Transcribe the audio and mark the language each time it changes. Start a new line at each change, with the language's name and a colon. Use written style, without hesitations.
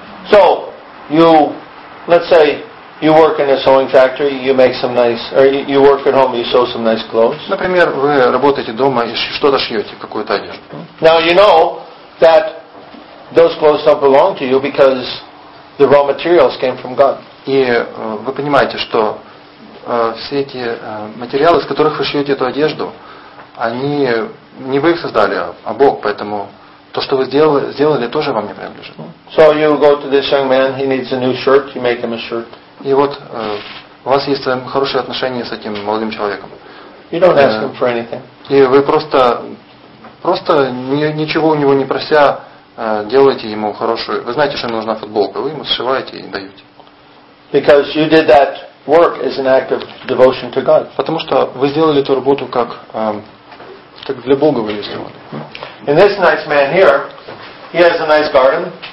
English: So, let's say you work in a sewing factory, you make some nice, or you work at home, you sew some nice clothes.
Russian: Например, вы работаете дома и что-то шьете, какую-то одежду.
English: Now you know that those clothes don't belong to you because the raw materials came from God.
Russian: И вы понимаете, что все эти материалы, из которых вы шьете эту одежду, они не вы их создали, а Бог, поэтому то, что вы сделали, тоже вам не принадлежит.
English: So you go to this young man, he needs a new shirt, you make him a shirt.
Russian: И вот у вас есть хорошие отношения с этим молодым человеком.
English: You don't ask him for anything.
Russian: И вы просто ничего у него не прося, делаете ему хорошую. Вы знаете, что ему нужна футболка, вы ему сшиваете и даете.
English: Because you did that work as an act of devotion to God.
Russian: Потому что вы сделали эту работу как для Бога вы ее сделали.
English: And this nice man here, he has a nice garden.